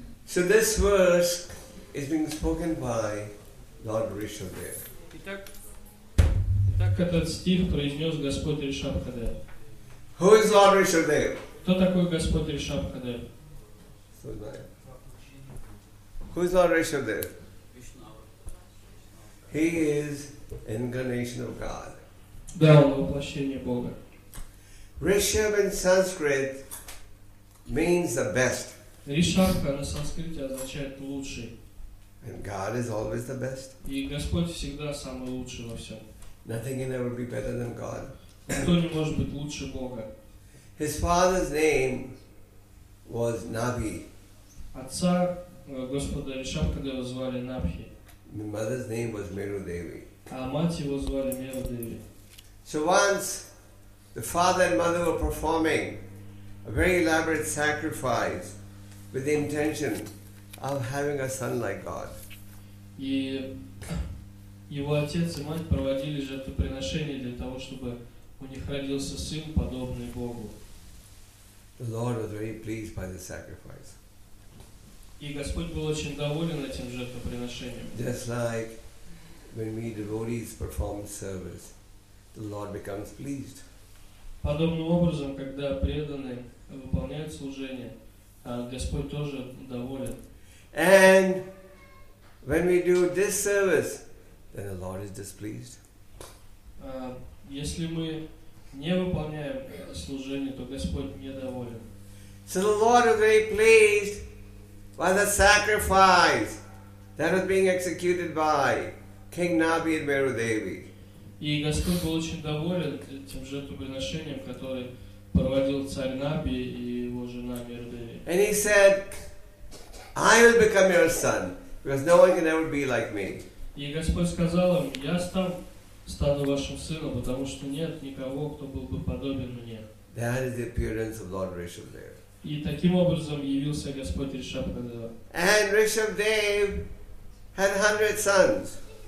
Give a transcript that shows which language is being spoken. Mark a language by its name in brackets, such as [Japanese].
[English] So this verse is being spoken by Lord Rishabhadev. [Russian] Итак, этот стих произнес Господь Ришабхадев. [English] Who is Lord Rishabhadev? [Russian] Кто такой Господь Ришабхадев? [English] Who is that? Who is Lord Rishabhadev? He is incarnation of God. [Russian] Да, он воплощение Бога. [English] Rishabh in Sanskrit means the best. [Russian] Ришабха на санскрите означает лучший. [English] And God is always the best. [Russian] И Господь всегда самый лучший во всем. [English] Nothing can ever be better than God. [Russian] Никто не может быть лучше Бога. [English] His father's name was Nabhi. [Russian] Отца Господа Ришабха его звали Набхи. [English] The mother's name was Meru Devi. [Russian] А мать его звали Меру Деви. [English] So once the father and mother were performing a very elaborate sacrifice with the intention of having a son like God. [Russian] И его отец и мать проводили жертвоприношение для того, чтобы у них родился сын подобный Богу. [English] The Lord was very pleased by the sacrifice. [Russian] И Господь был очень доволен этим жертвоприношением. [English] Just like when we devotees perform service, the Lord becomes pleased. [Russian] Подобным образом, когда преданные выполняют служение, Господь тоже доволен. [English] And when we do this service, then the Lord is displeased. [Russian] Если мы не выполняем служение, то Господь недоволен. [English] So the Lord is very pleased by the sacrifice that was being executed by King Nabhi and Meru Devi. [Russian] И Господь был очень доволен тем жертвоприношением, которое проводил царь Наби и его жена Меру Деви. [English] And he said, I will become your son, because no one can ever be like me. [Russian] И Господь сказал им, я стану вашим сыном, потому что нет никого, кто был бы подобен мне. [English] That is the appearance of Lord Rishabhdev. [Russian] И таким образом явился Господь Ришабхадева. [English] And Rishabhdev had 100 sons.